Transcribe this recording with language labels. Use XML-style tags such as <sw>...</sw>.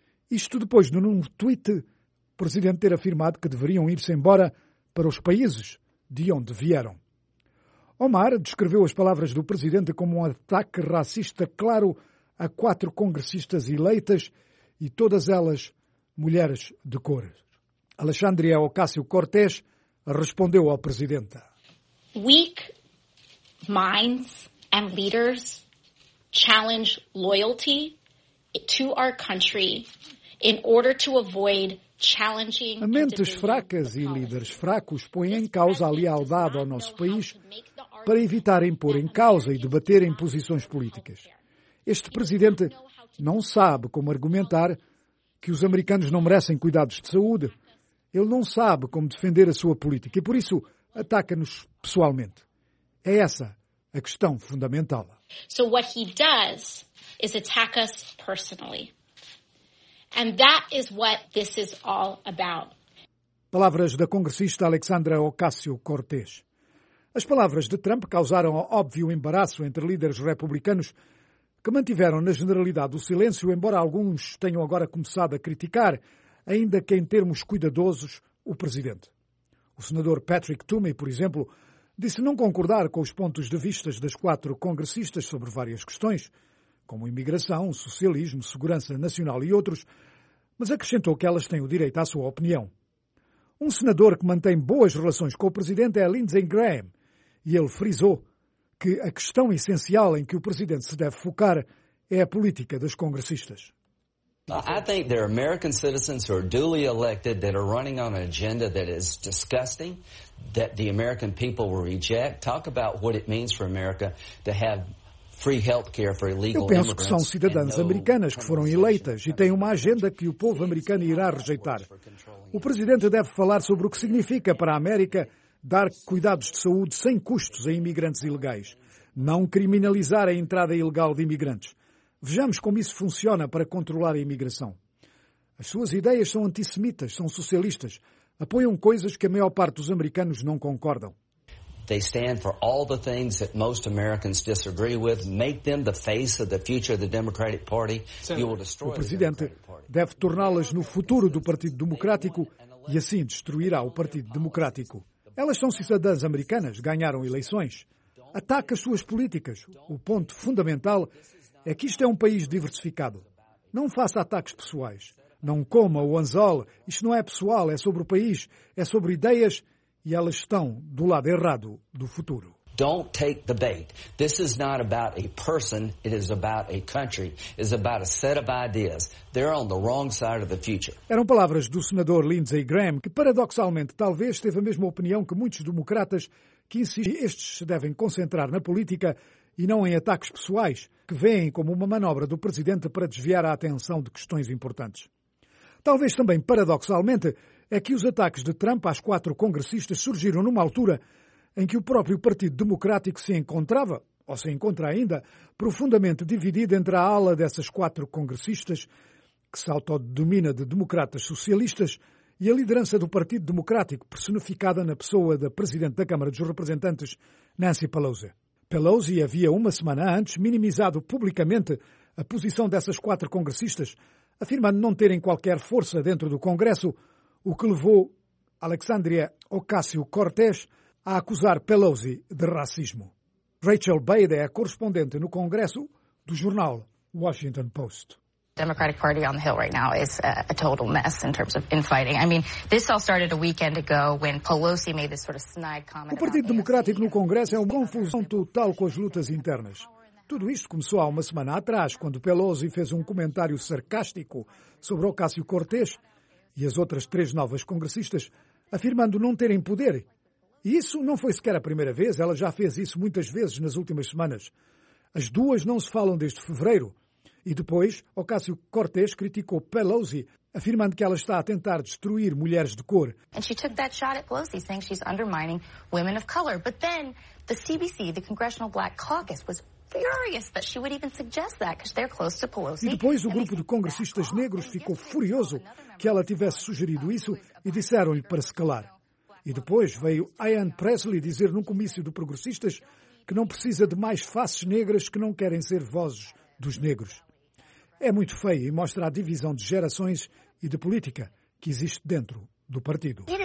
<pt>Isto depois de, num tweet, o presidente ter afirmado que deveriam ir-se embora para os países de onde vieram. Omar descreveu as palavras do presidente como um ataque racista claro a quatro congressistas eleitas e todas elas mulheres de cor. Alexandria Ocasio-Cortez respondeu ao presidente:</pt> <en>weak minds and leaders challenge loyalty to our country in order to avoid challenging.</en> <pt>Mentes fracas e líderes fracos põem em causa a lealdade ao nosso país para evitar impor em causa e debater em posições políticas. Este presidente não sabe como argumentar que os americanos não merecem cuidados de saúde. Ele não sabe como defender a sua política e, por isso, ataca-nos pessoalmente. É essa a questão fundamental.</pt> <en>So what he does is attack us personally. And that is what this is all about.</en> <pt>Palavras da congressista Alexandra Ocasio-Cortez. As palavras de Trump causaram óbvio embaraço entre líderes republicanos que mantiveram na generalidade o silêncio, embora alguns tenham agora começado a criticar, ainda que em termos cuidadosos, o presidente. O senador Patrick Toomey, por exemplo, disse não concordar com os pontos de vista das quatro congressistas sobre várias questões, como imigração, socialismo, segurança nacional e outros, mas acrescentou que elas têm o direito à sua opinião. Um senador que mantém boas relações com o presidente é Lindsey Graham, e ele frisou que a questão essencial em que o presidente se deve focar é a política das congressistas.</pt> <en>I think there are American citizens who are duly elected that are running on an agenda that is disgusting, that the American people will reject. Talk about what it means for America to have free healthcare for illegal immigrants.</en> <pt>Eu penso que são cidadãs americanas que foram eleitas e têm uma agenda que o povo americano irá rejeitar. O presidente deve falar sobre o que significa para a América dar cuidados de saúde sem custos a imigrantes ilegais, não criminalizar a entrada ilegal de imigrantes. Vejamos como isso funciona para controlar a imigração. As suas ideias são antissemitas, são socialistas, apoiam coisas que a maior parte dos americanos não concordam.</pt> <en>They stand for all the things that most Americans disagree with. Make them the face of the future of the Democratic Party. You will destroy.</en> <pt>O presidente deve torná-las no futuro do Partido Democrático e assim destruirá o Partido Democrático. Elas são cidadãs americanas, ganharam eleições. Ataca as suas políticas. O ponto fundamental é que isto é um país diversificado. Não faça ataques pessoais. Não coma o anzol. Isto não é pessoal, é sobre o país, é sobre ideias, e elas estão do lado errado do futuro.</pt> <en>Don't take the bait. This is not about a person, it is about a country. It's about a set of ideas. They're on the wrong side of the future.</en> <pt>Eram palavras do senador Lindsey Graham, que paradoxalmente talvez teve a mesma opinião que muitos democratas que insistem que estes se devem concentrar na política e não em ataques pessoais, que veem como uma manobra do presidente para desviar a atenção de questões importantes. Talvez também, paradoxalmente, é que os ataques de Trump às quatro congressistas surgiram numa altura em que o próprio Partido Democrático se encontrava, ou se encontra ainda, profundamente dividido entre a ala dessas quatro congressistas, que se autodenomina de democratas socialistas, e a liderança do Partido Democrático, personificada na pessoa da Presidente da Câmara dos Representantes, Nancy Pelosi. Pelosi havia, uma semana antes, minimizado publicamente a posição dessas quatro congressistas, afirmando não terem qualquer força dentro do Congresso, o que levou Alexandria Ocasio-Cortez a acusar Pelosi de racismo. Rachel Bader é correspondente no Congresso do jornal Washington Post.</pt> <en>Democratic Party on the Hill right now is a total mess in terms of infighting. I mean, this all started a weekend ago when Pelosi made this sort of snide comment.</en> <pt>O Partido Democrático no Congresso é uma confusão total com as lutas internas. Tudo isto começou há uma semana atrás, quando Pelosi fez um comentário sarcástico sobre Ocasio-Cortez e as outras três novas congressistas, afirmando não terem poder. E isso não foi sequer a primeira vez, ela já fez isso muitas vezes nas últimas semanas. As duas não se falam desde fevereiro. E depois, Ocasio-Cortez criticou Pelosi, afirmando que ela está a tentar destruir mulheres de cor.</pt> <en>And she took that shot at Pelosi, saying she's undermining women of color. But then, the CBC, the Congressional Black Caucus, was furious that she would even suggest that, because they're close to Pelosi.</en> <pt>E depois o grupo de congressistas negros ficou furioso que ela tivesse sugerido isso e disseram-lhe para se calar. E depois veio Ayanna Pressley dizer num comício de progressistas que não precisa de mais faces negras que não querem ser vozes dos negros. É muito feio e mostra a divisão de gerações e de política que existe dentro do partido.</pt>